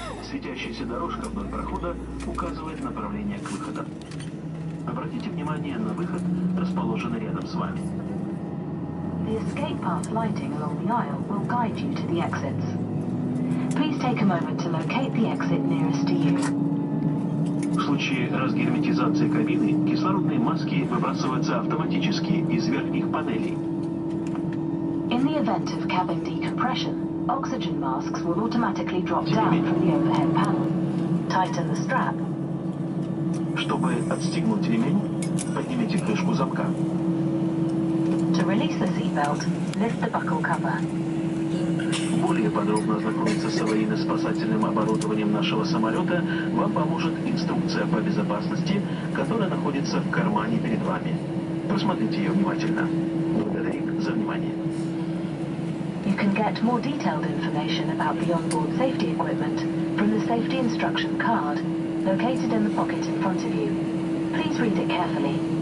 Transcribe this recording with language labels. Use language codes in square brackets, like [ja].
[ru] Светящаяся дорожка вдоль прохода указывает направление к выходу. Обратите внимание на выход, расположенный рядом с вами. [en] The escape path lighting along the aisle will guide you to the exits. Please take a moment to locate the exit nearest to you. [ru] В случае разгерметизации кабины кислородные маски выбрасываются автоматически из верхних панелей. [en] In the event of cabin decompression, oxygen masks will automatically drop down from the overhead panel. Tighten the strap. [ru] Чтобы отстегнуть ремень, поднимите крышку замка. [en] To release the seatbelt, lift the buckle cover. [ru] Более подробно ознакомиться с аварийно-спасательным оборудованием нашего самолета вам поможет инструкция по безопасности, которая находится в кармане перед вами. Просмотрите ее внимательно. Благодарим за внимание. [en] You can get more detailed information about the onboard safety equipment from the safety instruction card located in the pocket in front of you. Please read it carefully.